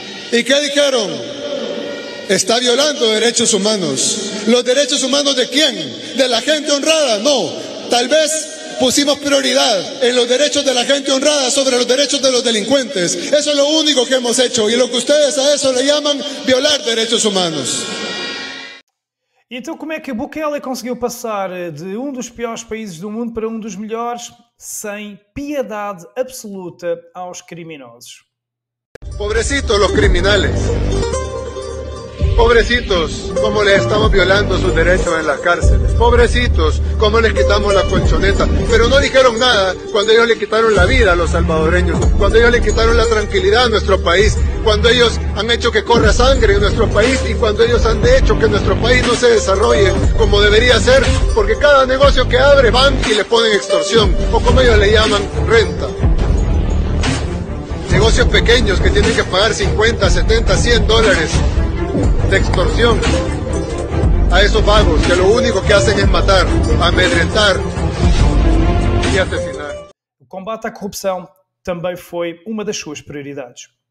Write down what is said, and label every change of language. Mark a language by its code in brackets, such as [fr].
[es] ¿Y qué dijeron? Está violando derechos humanos. ¿Los derechos humanos de quién? ¿De la gente honrada? No. Tal vez pusimos prioridad en los derechos de la gente honrada sobre los derechos de los delincuentes. Eso es lo único que hemos hecho. Y lo que ustedes a eso le llaman violar derechos humanos. [pt] Então, como é que Bukele conseguiu passar de um dos piores países do mundo para um dos melhores sem piedade absoluta aos criminosos? [es] Pobrecitos los criminales. Pobrecitos, como les estamos violando sus derechos en las cárceles. Pobrecitos, como les quitamos la colchoneta. Pero no dijeron nada cuando ellos le quitaron la vida a los salvadoreños, cuando ellos le quitaron la tranquilidad a nuestro país, cuando ellos han hecho que corra sangre en nuestro país y cuando ellos han hecho que nuestro país no se desarrolle como debería ser, porque cada negocio que abre van y le ponen extorsión, o como ellos le llaman, renta. Negocios pequeños que tienen que pagar 50, 70, $100 de extorsión a esos vagos que lo único que hacen es matar, amedrentar y asesinar. [pt] O combate à corrupção também foi uma das suas prioridades.